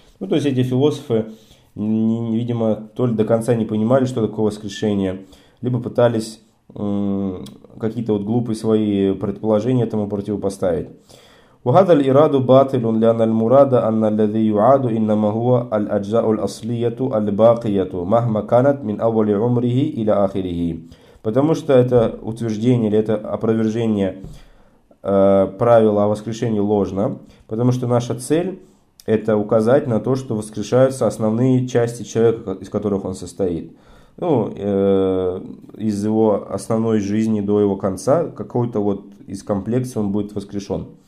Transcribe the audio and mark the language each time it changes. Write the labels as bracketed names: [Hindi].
[Russian] Ну, то есть эти философы, видимо, то ли до конца не понимали, что такое воскрешение, либо пытались какие-то вот глупые свои предположения этому противопоставить. [Arabic] وهذا الإرادة باطل لأن المراد أن الذي يعاد إنما هو الأجزاء الأصلية الباقية مهما كانت من أول عمره إلى آخره. [Russian] Потому что это утверждение или это опровержение правила о воскрешении ложно, потому что наша цель это указать на то, что воскрешаются основные части человека, из которых он состоит. Ну, из его основной жизни до его конца, какой-то вот из комплекса он будет воскрешен.